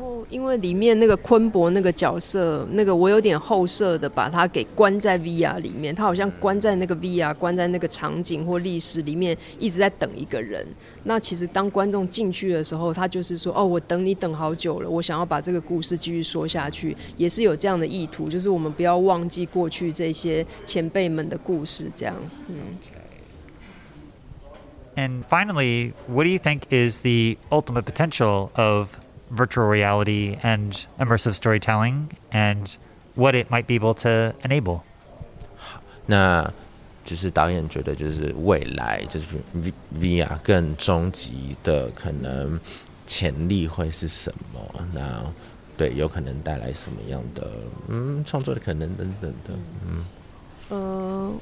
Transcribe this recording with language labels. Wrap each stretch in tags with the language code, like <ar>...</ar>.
<zh>因为里面那个昆博那个角色，那个我有点后设的把他给关在 VR 里面，他好像关在那个 VR 关在那个场景或历史里面一直在等一个人，那其实当观众进去的时候，他就是说哦，我等你等好久了，我想要把这个故事继续说下去，也是有这样的意图，就是我们不要忘记过去这些前辈们的故事这样。</zh> <en>And finally, what do you think is the ultimate potential of virtual reality and immersive storytelling and what it might be able to enable?</en> <zh>那就是导演觉得就是未来就是VR更终极的可能潜力会是什么，那对有可能带来什么样的创作的可能等等的。</zh>